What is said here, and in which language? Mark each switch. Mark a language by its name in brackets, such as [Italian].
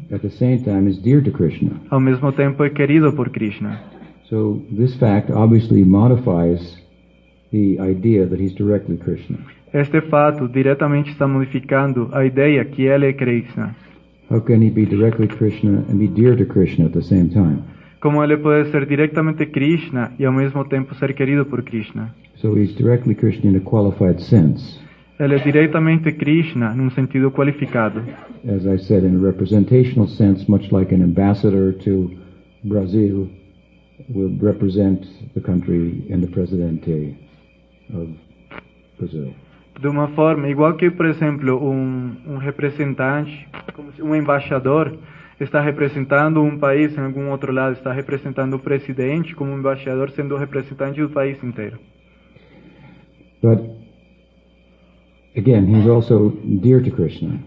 [English] at the same time, is dear to Krishna. [Portuguese] Ao mesmo tempo é querido por Krishna. [English] So this fact obviously modifies the idea that he's directly Krishna. [Portuguese] Este fato diretamente está modificando a ideia que ele é Krishna. [English] How can he be directly Krishna and be dear to Krishna at the same time? [Portuguese] Como ele pode ser diretamente Krishna e ao mesmo tempo ser querido por Krishna? [English] So he's directly Krishna in a qualified sense. [Portuguese] Ele é diretamente Krishna num sentido qualificado. [English] As I said, in a representational sense, much like an ambassador to Brazil will represent the country and the presidente of Brazil. [Portuguese] De uma forma, igual que, por exemplo, um representante, um embaixador, está representando um país em algum outro lado, está representando o presidente como embaixador, sendo o representante do país inteiro. [English] But, again, he's also dear to Krishna.